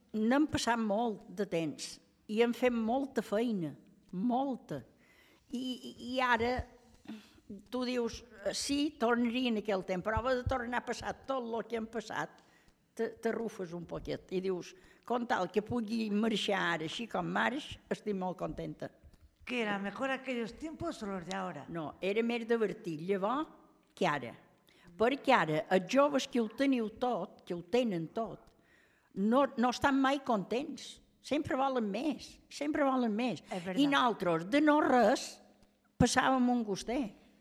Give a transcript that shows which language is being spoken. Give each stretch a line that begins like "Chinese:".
Catalan: n'hem passat molt de temps i hem fet molta feina, molta. I ara tu dius, sí, tornaria en aquell temps, però va de tornar a passar tot el que hem passat, t'arrufes un poquet i dius, com tal que pugui marxar ara així com marx, estic molt contenta.
Spanish: Que era mejor aquellos tiempos o los de ahora?
Catalan: No, era més divertit llavors que ara. Perquè ara els joves que ho teniu tot, que ho tenen tot, no estan mai contents. Sempre volen més, sempre volen més. I nosaltres, de no res, passàvem un gustet.